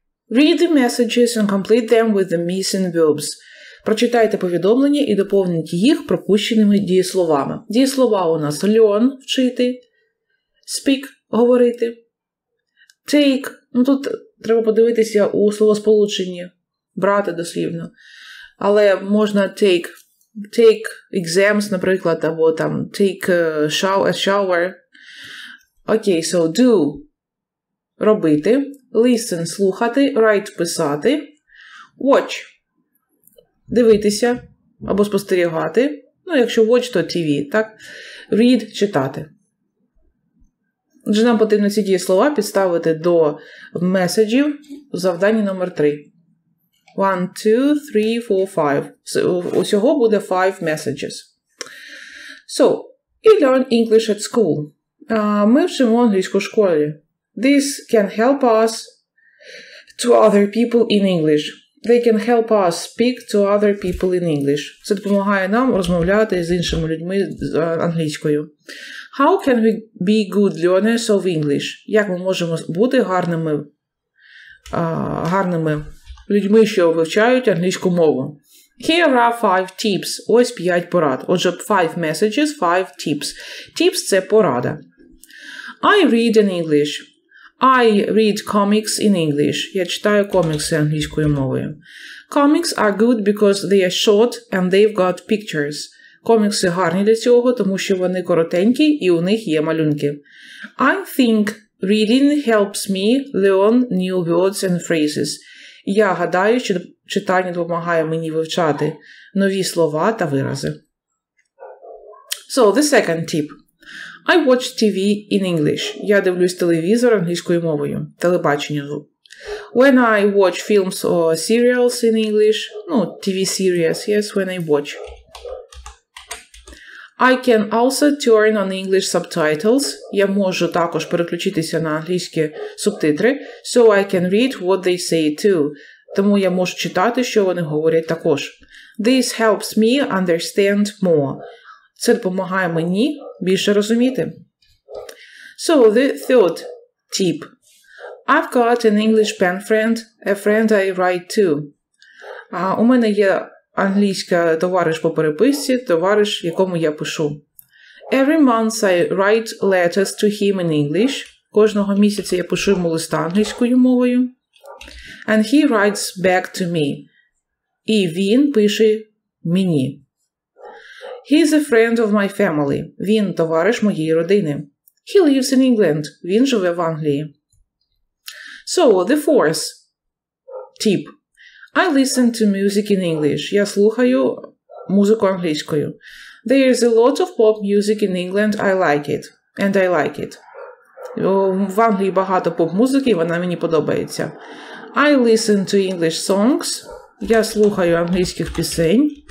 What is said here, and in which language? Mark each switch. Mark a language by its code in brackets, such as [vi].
[en] Read the messages and complete them with the missing verbs. [uk] Прочитайте повідомлення і доповніть їх пропущеними дієсловами. Дієслова у нас learn – вчити. speak – говорити. Take – ну тут треба подивитися у словосполученні «брати» дослівно. Але можна take – [en] take exams, [uk] наприклад, або там [en] take a shower. [uk] Окей, so do – робити. Listen – слухати. Write – писати. Watch – дивитися або спостерігати. Ну, якщо watch, то TV, так? Read – читати. Отже, нам потрібно ці дієслова підставити до меседжів в завданні номер 3. 1, 2, 3, 4, 5. Усього буде 5 меседжів. [en] So, you learn English at school. [uk] Ми вчимо англійську в школі. [en] This can help us to other people in English. They can help us speak to other people in English. [uk] Це допомагає нам розмовляти з іншими людьми з англійською. [en] How can we be good learners of English? [uk] Як ми можемо бути гарними, гарними людьми, що вивчають англійську мову? [en] Here are 5 tips. [uk] Ось 5 порад. [en] Отже, 5 messages, 5 tips. Tips – [uk] це порада. [en] I read in English. I read comics in English. [uk] Я читаю комікси англійською мовою. [en] Comics are good because they are short and they've got pictures. [uk] Комікси гарні для цього, тому що вони коротенькі і у них є малюнки. [en] I think reading helps me learn new words and phrases. [uk] Я гадаю, що читання допомагає мені вивчати нові слова та вирази. [en] So, the second tip. I watch TV in English. [uk] Я дивлюсь телевізор англійською мовою. Телебачення. [en] When I watch films or serials in English. Ну, TV series, yes, when I watch. I can also turn on English subtitles. [uk] Я можу також переключитися на англійські субтитри. [en] So I can read what they say too. [uk] Тому я можу читати, що вони говорять також. [en] This helps me understand more. [uk] Це допомагає мені більше розуміти. [en] So, the third tip. I've got an English pen friend, a friend I write to. [uk] У мене є англійська товариш по переписці, товариш, якому я пишу. [en] Every month I write letters to him in English. [uk] Кожного місяця я пишу йому листа англійською мовою. [en] And he writes back to me. [uk] І він пише мені. [en] He's a friend of my family. [uk] Він товариш моєї родини. [en] He lives in England. [uk] Він живе в Англії. [en] So, the fourth tip. I listen to music in English. [uk] Я слухаю музику англійською. [en] There is a lot of pop music in England. I like it. And I like it. [uk] В Англії багато поп-музики, вона мені подобається. [en] I listen to English songs. [uk] Я слухаю англійських пісень.